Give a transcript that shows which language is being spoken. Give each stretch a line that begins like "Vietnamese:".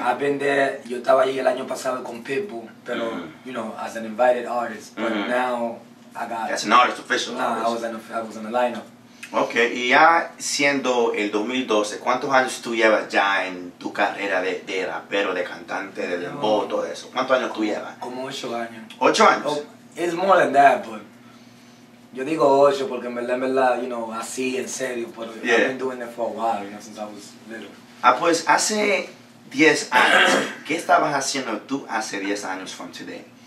English: I've been there.
Spanish: Yo estaba allí el año pasado con Pitbull, pero,
English: you know, as an invited artist. But now I got... That's an artist, official artist. No, I was in the lineup.
Spanish: Okay, y ya siendo el 2012, ¿cuántos años tú llevas ya en tu carrera de rapero, de cantante, de dembow, todo eso? ¿Cuántos años tú llevas? Como 8 años. ¿8 años? Oh,
English: it's more than that, but
Spanish: yo digo 8 porque en verdad,
English: you know,
Spanish: así, en serio, pero
English: I've been doing it for a while, you know, since I was little.
Spanish: Ah, pues hace 10 años, ¿qué estabas haciendo tú hace 10 años
English: from today?